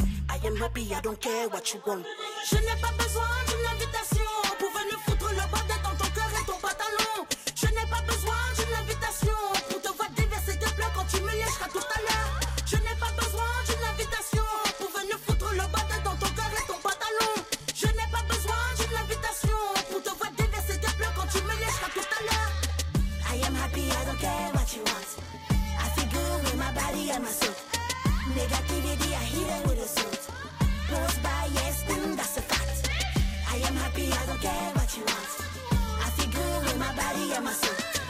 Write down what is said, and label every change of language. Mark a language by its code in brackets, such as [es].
[en] I am happy, I don't care what you want. [fr] Je n'ai pas besoin d'une invitation pour venir foutre le bordel dans ton cœur et ton pantalon. Je n'ai pas besoin d'une invitation pour te voir déverser tes pleurs quand tu me lècheras tout à l'heure. Je n'ai pas besoin d'une invitation pour venir foutre le bordel dans ton cœur et ton pantalon. Je n'ai pas besoin d'une invitation pour te voir déverser tes pleurs quand tu me lècheras tout à l'heure. [en] I am happy, I don't care what you want. I feel good with my body and my soul. Negativity, I hit it with a sword. Pulse by, yes, that's a fact. I am happy, I don't care what you want. I feel good with my body and my soul.